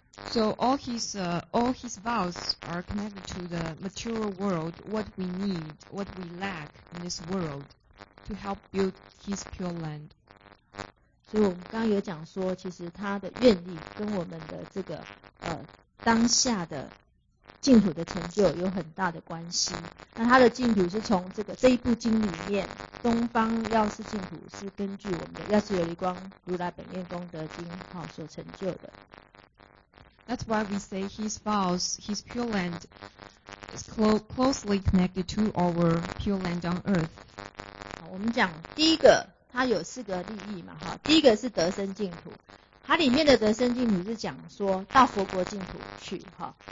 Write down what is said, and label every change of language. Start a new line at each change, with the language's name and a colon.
English: So all his vows are connected to the material world, what we need, what we lack in this world, to help build his pure land.
Chinese: 所以我们刚刚有讲说其实他的愿力跟我们的这个当下的净土的成就有很大的关系。那他的净土是从这个这一部经里面东方药师净土是根据我们的药师琉璃光如来本愿功德经好所成就的。
English: That's why we say his vows, his pure land is closely connected to our pure land on earth.
Chinese: 好我们讲第一个它有四个利益嘛，哈，第一个是得生净土，它里面的得生净土是讲说到佛国净土去，哈。